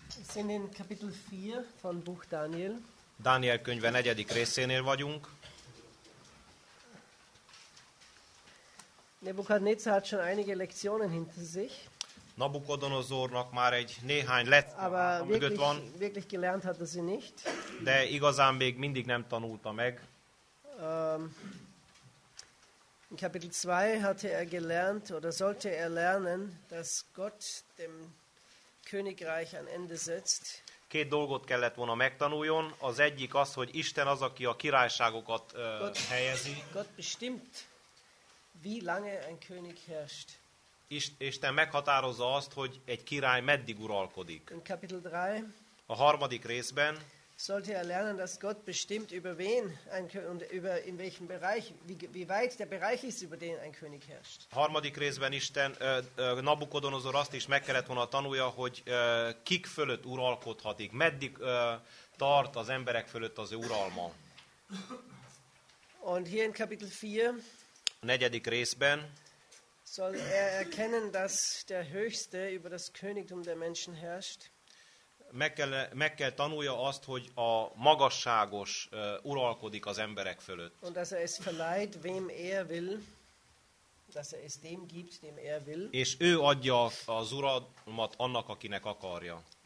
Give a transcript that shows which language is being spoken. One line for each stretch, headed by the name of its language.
German: Wir sind in Kapitel 4 von Buch Daniel.
Hungarian: Daniel könyve 4. részénél vagyunk.
German: Nebukadnezar hat schon einige Lektionen hinter sich.
Hungarian: Nabukodonozornak már egy néhány lett Aber mögött van.
German: Wirklich gelernt hat er sie nicht.
Hungarian: De igazán még mindig nem tanulta meg.
German: In Kapitel 2 hatte er gelernt oder sollte er lernen, dass Gott dem Königreich ein Ende setzt.
Hungarian: Két dolgot kellett volna megtanuljon. Az egyik az, hogy Isten az, aki a királyságokat helyezi.
German: Gott bestimmt, wie lange ein König herrscht.
Hungarian: Isten meghatározza azt, hogy egy király meddig uralkodik.
German: In Kapitel 3
Hungarian: a harmadik részben
German: sollte er lernen, dass Gott bestimmt, über wen ein und über in welchem Bereich, wie weit der Bereich ist, über den ein König herrscht.
Hungarian: Harmadik részben Isten Nabukodonozor azt is meg kellett volna tanulja, hogy kik fölött uralkodhatik, meddig tart az emberek fölött az uralma.
German: Und hier in Kapitel 4
Hungarian: a negyedik részben
German: soll er erkennen, dass der Höchste über das Königtum der Menschen herrscht.
Hungarian: Meg kell tanulja azt, hogy a magasságos uralkodik az emberek fölött.
German: Und dass er es verleiht, wem er will, dass er es dem gibt, dem er will.
Hungarian: És ő adja az uralmat annak, akinek akarja.